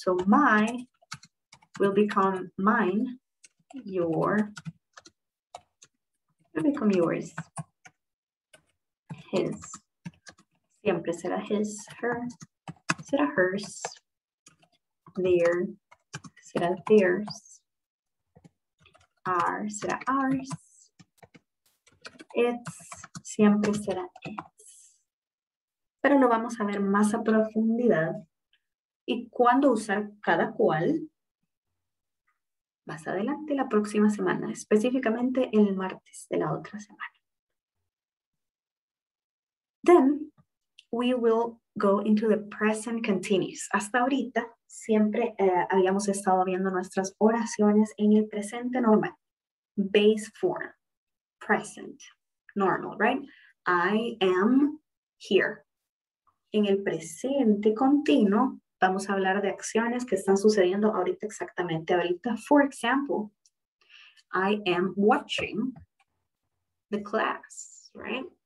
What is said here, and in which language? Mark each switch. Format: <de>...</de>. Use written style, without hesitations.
<en>So my will become mine, your will become yours, his,</en> <es>siempre será</es> <en>his, her, será hers, their, será theirs, our, será ours, it's, siempre será it's.</en> <es>Pero lo vamos a ver más a profundidad y cuándo usar cada cual más adelante la próxima semana, específicamente el martes de la otra semana.</es> <en>Then, we will go into the present continuous.</en> <es>Hasta ahorita, siempre habíamos estado viendo nuestras oraciones en el presente normal.</es> <en>Base form, present, normal, right? I am here.</en> <es>En el presente continuo, vamos a hablar de acciones que están sucediendo ahorita exactamente ahorita.</es> <en>For example, I am watching the class, right?</en>